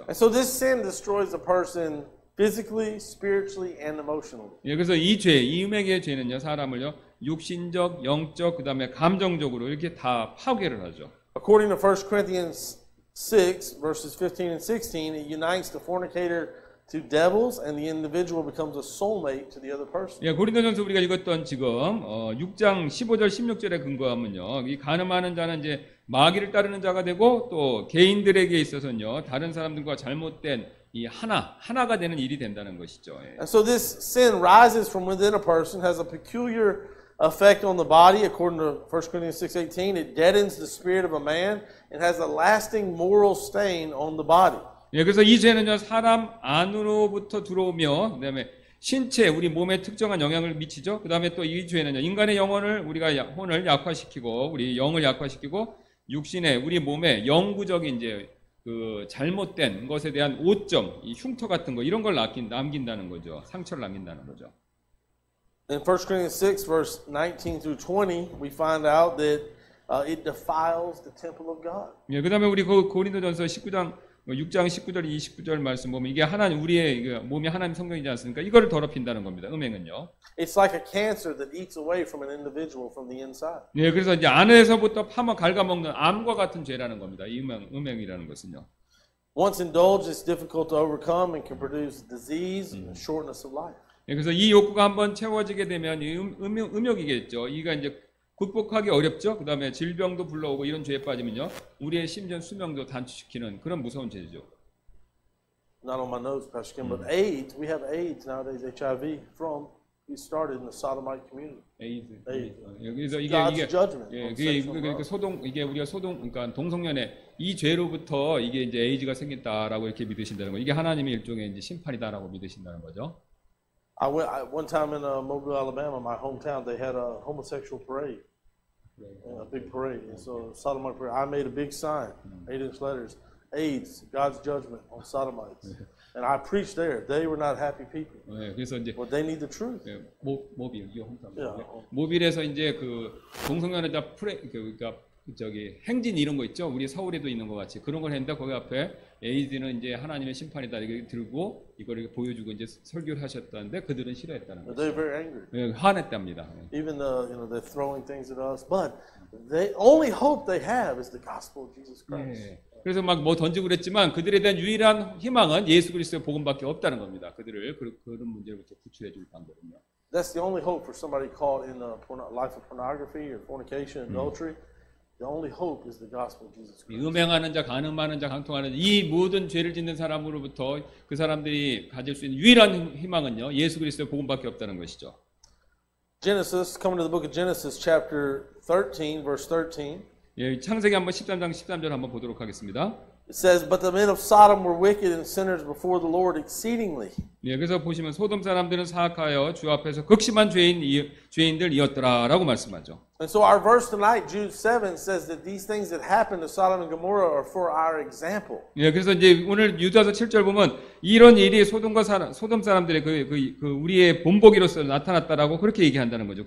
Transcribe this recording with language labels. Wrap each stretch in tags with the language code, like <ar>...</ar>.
<en>And so this sin destroys a person physically, spiritually and emotionally.</en> <ko>예, 그래서 이 죄, 이 음행의 죄는요. 사람을요. 육신적, 영적, 그다음에 감정적으로 이렇게 다 파괴를 하죠. According to 1 Corinthians 6 verses 15 and 16, it unites the fornicator to devils and the individual becomes a soulmate to the other person. 예, 고린도전서 우리가 읽었던 지금 6장 15절 16절에 근거하면요. 이 간음하는 자는 이제 마귀를 따르는 자가 되고 또 개인들에게 있어서는요. 다른 사람들과 잘못된 이 하나가 되는 일이 된다는 것이죠. 예.</ko> <en>And so this sin rises from within a person has a peculiar effect on the body according to 1 Corinthians 6:18. It deadens the spirit of a man and has a lasting moral stain on the body.</en> <ko>예, 그래서 이 죄는요 사람 안으로부터 들어오며 그다음에 신체 우리 몸에 특정한 영향을 미치죠. 그다음에 또 이 죄는요 인간의 영혼을 우리가 혼을 약화시키고 우리 영을 약화시키고 육신에 우리 몸에 영구적인 이제 그 잘못된 것에 대한 오점, 이 흉터 같은 거 이런 걸 남긴다는 거죠. 상처를 남긴다는 거죠.</ko> <en>In 1 Corinthians 6 verse 19 through 20, we find out that it defiles the temple of God.</en> <ko>예, 그다음에 우리 고린도전서 6장 19절 29절 말씀 보면 이게 하나님 우리의 몸이 하나님 성전이지 않습니까? 이거를 더럽힌다는 겁니다. 음행은요.</ko> <en>It's like a cancer that eats away from an individual from the inside.</en> <ko>네, 그래서 이제 안에서부터 파먹 갉아먹는 암과 같은 죄라는 겁니다. 이 음행이라는 것은요.</ko> <en>Once indulged, it's difficult to overcome and can produce disease and shortness of life.</en> <ko>네, 그래서 이 욕구가 한번 채워지게 되면 음욕이겠죠. 이가 이제 극복하기 어렵죠. 그 다음에 질병도 불러오고 이런 죄에 빠지면요. 우리의 심지어 수명도 단축시키는 그런 무서운 죄죠.</ko> <en>Not on my nose, Pastor Kim, but AIDS. We have AIDS nowadays, HIV, from it started in the sodomite community. AIDS. God's judgment. 예,</en> <ko>그러니까 그러니까 동성연애 이 죄로부터 이게 이제 AIDS가 생겼다라고 이렇게 믿으신다는 거. 이게 하나님의 일종의 이제 심판이다라고 믿으신다는 거죠.</ko> <en>I went one time in Mobile, Alabama, my hometown. They had a homosexual parade, a big parade. And so, sodomite parade. I made a big sign, 8-inch letters, AIDS, God's judgment on sodomites. And I preached there. They were not happy people.</en> <ko>네, 그래서 이제</ko> <en>but they need the truth.</en> <ko>예, 모빌, 이 홈타운. 모빌에서 이제 그 동성연애자 그러니까 저기 행진 이런 거 있죠. 우리 서울에도 있는 거 같이 그런 걸 했는데 거기 앞에. 에이즈는 이제 하나님의 심판이다 이렇게 들고 이걸 이렇게 보여주고 이제 설교를 하셨다는데 그들은 싫어했다는 거죠.</ko> <en>They're very angry.</en> <ko>예, 화냈답니다.</ko> <en>Even the, you know, they're throwing things at us, but the only hope they have is the gospel of Jesus Christ.</en> <ko>예, 그래서 막 뭐 던지고 그랬지만 그들에 대한 유일한 희망은 예수 그리스도의 복음밖에 없다는 겁니다. 그들을 그런 문제로부터 구출해 줄 방법은요.</ko> <en>That's the only hope for somebody caught in a life of pornography or fornication, adultery. The only hope is the gospel of Jesus Christ.</en> <ko>음행하는 자, 간음하는 자, 강통하는 자, 이 모든 죄를 짓는 사람으로부터 그 사람들이 가질 수 있는 유일한 희망은요. 예수 그리스도의 복음밖에 없다는 것이죠.</ko> <en>Genesis, coming to the book of Genesis chapter 13 verse 13.</en> <ko>예, 창세기 한번 13장 13절 한번 보도록 하겠습니다.</ko> <en>It says, but the men of Sodom were wicked and sinners before the Lord exceedingly.</en> <ko>예, 그래서 보시면 소돔 사람들은 사악하여 주 앞에서 극심한 죄인이 죄인들이었더라라고 말씀하죠.</ko> <en>And so our verse tonight, Jude 7, says that these things that happened to Sodom and Gomorrah are for our example.</en> <ko>예, 그래서 이제 오늘 유다서 7절 보면 이런 일이 소돔과 소돔 사람들의 그 우리의 본보기로서 나타났다라고 그렇게 얘기한다는 거죠.</ko>